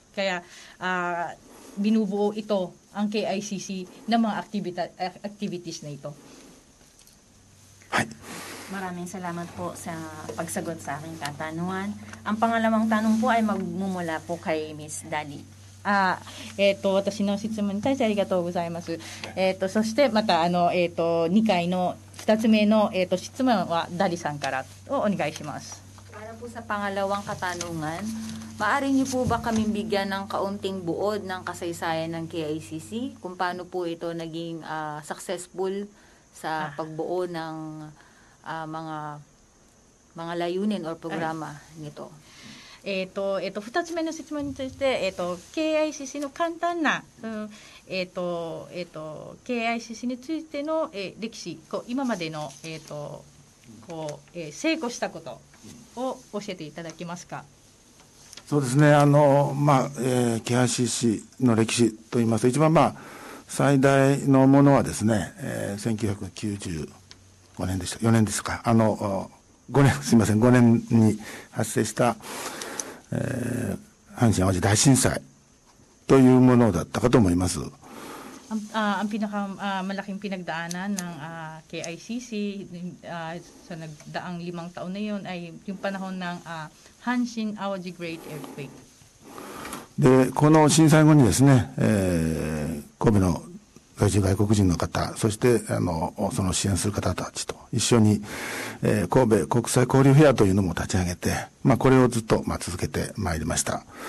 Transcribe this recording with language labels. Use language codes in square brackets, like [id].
[tl] Kaya binubuo ito ang KICC ng mga activities na ito. Maraming salamat po sa pagsagot sa aking katanungan. Ang pangalawang tanong po ay magmumula po kay Ms. Dali. [ja] 私の質問に対してありがとうございます。そしてまた2回の2つ目の質問はダリさんからをお願いします。 [tl] para po sa pangalawang katanungan, maaari niyo po ba kaming bigyan ng kaunting buod ng kasaysayan ng KICC kung paano po ito naging successful sa pagbuo ng mga layunin or programa nito. [ja] 2つ目の質問について、KICC の簡単な、KICC についての、歴史、今までの、成功したことを教えていただけますか。そうですね、KICC の歴史といいますと、一番最大のものはですね、5年に発生した阪神淡路大震災というものだったかと思います。 [tl] ang pinakamalaking pinagdaanan ng KICC sa nagdaang limang taon na yon ay yung panahon ng Hanshin Awaji Great Earthquake. [ja] で、この震災後にですね、神戸の外国人の方、そしてその支援する方たちと一緒に、神戸国際交流フェアというのも立ち上げて、これをずっと続けてまいりました。